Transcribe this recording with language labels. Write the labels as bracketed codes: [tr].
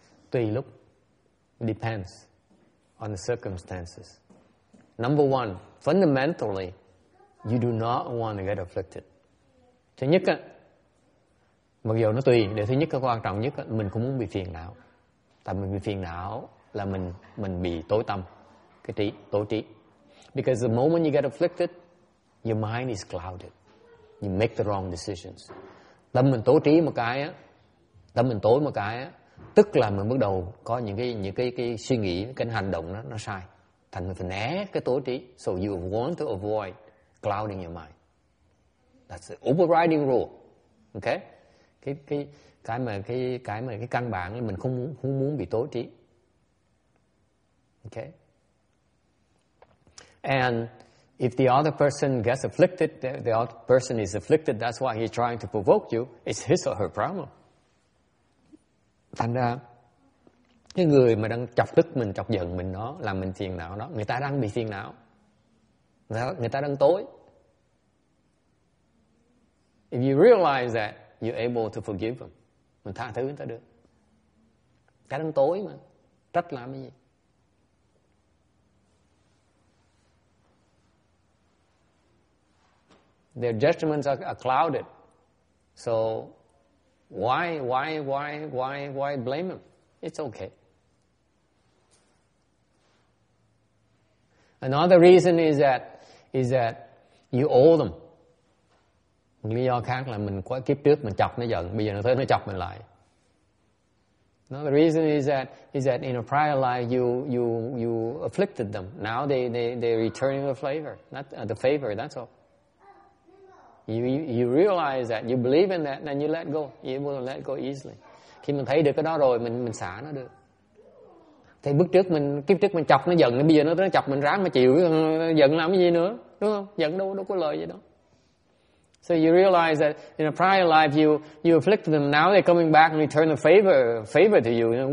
[vi] Tùy lúc. [en] Depends on the circumstances. Number one, fundamentally, you do not want to get afflicted. [vi] Thứ nhất, mặc dù nó tùy, để thứ nhất cái quan trọng nhất, mình không muốn bị phiền não. Tại mình bị phiền não là mình bị tối tâm, cái trí, tối trí. [en] Because the moment you get afflicted, your mind is clouded. You make the wrong decisions. [vi] Tâm mình tối trí một cái, tâm mình tối một cái, tức là mình bắt đầu có những cái suy nghĩ, cái hành động nó sai. Thành mình phải né cái tối trí. [en] So you want to avoid clouding your mind. That's the overriding rule. Okay? [vi] Cái căn bản là mình không muốn bị tối trí. [en] Okay? And if the other person gets afflicted, the other person is afflicted, that's why he's trying to provoke you, it's his or her problem. [vi] Thành ra cái người mà đang chọc tức mình, chọc giận mình đó, làm mình phiền não đó, người ta đang bị phiền não, người ta đang tối. [en] If you realize that, you're able to forgive them. [vi] Mình tha thứ người ta được. Người ta đang tối mà, trách làm cái gì. [en] Their judgments are clouded. So Why blame him? It's okay. Another reason is that you owe them. [vi] Lý do khác là mình quá kiếp trước mình chọc nó giận, bây giờ nó tới nó chọc mình lại. [en] Now the reason is that in a prior life you afflicted them. Now they're returning the flavor, the favor. That's all. You realize that you believe in that, then you let go. You will let go easily. [vi] Khi mình thấy được cái đó rồi, mình xả nó được. Thì bước trước mình kiếp trước mình chọc nó giận, bây giờ nó chọc mình ráng mà chịu, giận làm cái gì nữa, đúng không? Giận đâu có lời gì đâu. [en] So you realize that in a prior life you afflicted them. Now they're coming back and return the favor to you.